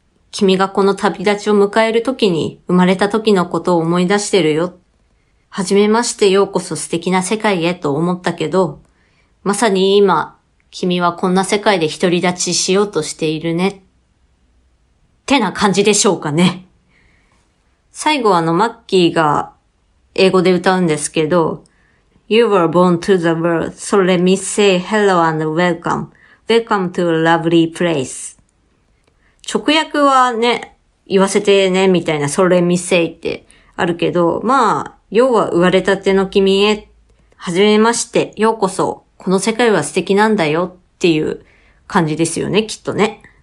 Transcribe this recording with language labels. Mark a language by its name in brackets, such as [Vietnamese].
[Japanese] 君がこの旅立ちを迎える時に、生まれた時のことを思い出してるよ。はじめまして、ようこそ素敵な世界へと思ったけど、まさに今、君はこんな世界で独り立ちしようとしているね。ってな感じでしょうかね。最後はマッキーが英語で歌うんですけど、 [English] You were born to the world, so let me say hello and welcome. Welcome to a lovely place. [Japanese] 直訳はね、言わせてね、みたいな、 [English] so let me say [Japanese] ってあるけど、まあ、要は生まれたての君へ、はじめまして、ようこそ、この世界は素敵なんだよっていう感じですよね、きっとね。